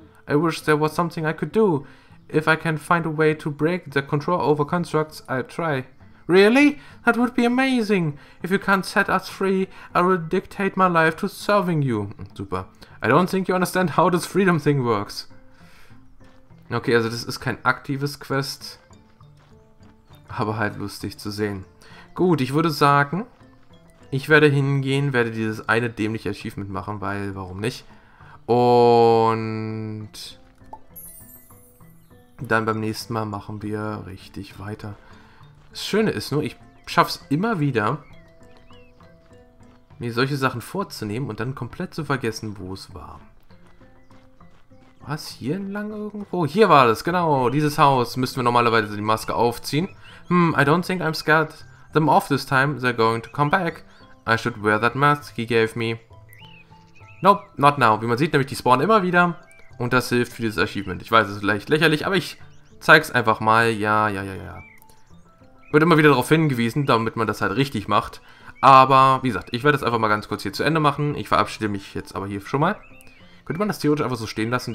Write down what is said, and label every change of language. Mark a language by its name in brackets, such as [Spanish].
[English] I wish there was something I could do. If I can find a way to break the control over constructs, I'll try. Really? That would be amazing. If you can't set us free, I will dictate my life to serving you. Super. I don't think you understand how this freedom thing works. [German] Okay, also das ist kein aktives Quest, aber halt lustig zu sehen. Gut, ich würde sagen, ich werde hingehen, werde dieses eine dämliche Achievement machen, weil, warum nicht? Und dann beim nächsten Mal machen wir richtig weiter. Das Schöne ist nur, ich schaffe es immer wieder, mir solche Sachen vorzunehmen und dann komplett zu vergessen, wo es war. Was, hier entlang irgendwo? Hier war das, genau, dieses Haus. Müssen wir normalerweise die Maske aufziehen. [English] I don't think I'm scared. Them off this time, they're going to come back. I should wear that mask he gave me. Nope, not now. [German] Wie man sieht, nämlich die spawnen immer wieder. Und das hilft für dieses Achievement. Ich weiß, es ist leicht lächerlich, aber ich zeig's einfach mal. Ja. Wird immer wieder darauf hingewiesen, damit man das halt richtig macht. Aber, wie gesagt, ich werde das einfach mal ganz kurz hier zu Ende machen. Ich verabschiede mich jetzt aber hier schon mal. Könnte man das theoretisch einfach so stehen lassen?